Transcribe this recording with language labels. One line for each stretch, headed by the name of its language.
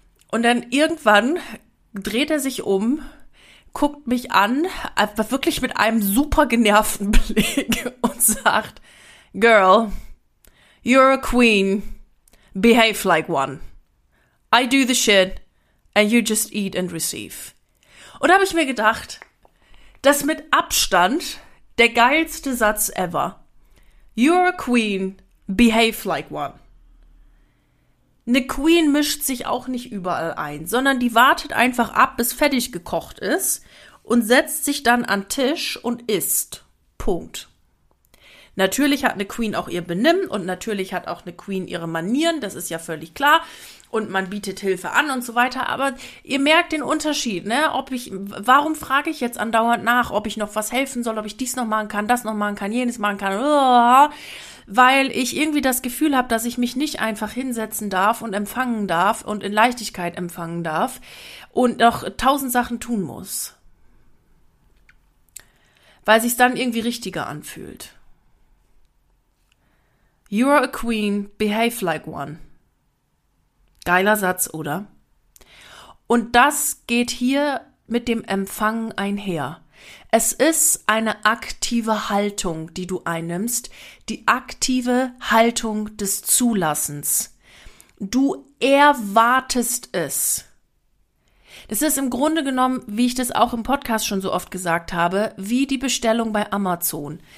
German: Und dann irgendwann dreht er sich um, guckt mich an, wirklich mit einem super genervten Blick und sagt,
English: Girl, you're a queen, behave like one. I do the shit and you just eat and receive.
German: Und da habe ich mir gedacht, das mit Abstand der geilste Satz ever.
English: You're a queen, behave like one.
German: Eine Queen mischt sich auch nicht überall ein, sondern die wartet einfach ab, bis fertig gekocht ist und setzt sich dann an Tisch und isst. Punkt. Natürlich hat eine Queen auch ihr Benehmen und natürlich hat auch eine Queen ihre Manieren, das ist ja völlig klar. Und man bietet Hilfe an und so weiter. Aber ihr merkt den Unterschied, ne? Warum frage ich jetzt andauernd nach, ob ich noch was helfen soll, ob ich dies noch machen kann, das noch machen kann, jenes machen kann? Weil ich irgendwie das Gefühl habe, dass ich mich nicht einfach hinsetzen darf und empfangen darf und in Leichtigkeit empfangen darf und noch tausend Sachen tun muss. Weil sich's dann irgendwie richtiger anfühlt.
English: You're a queen, behave like one.
German: Geiler Satz, oder? Und das geht hier mit dem Empfangen einher. Es ist eine aktive Haltung, die du einnimmst, die aktive Haltung des Zulassens. Du erwartest es. Das ist im Grunde genommen, wie ich das auch im Podcast schon so oft gesagt habe, wie die Bestellung bei Amazon.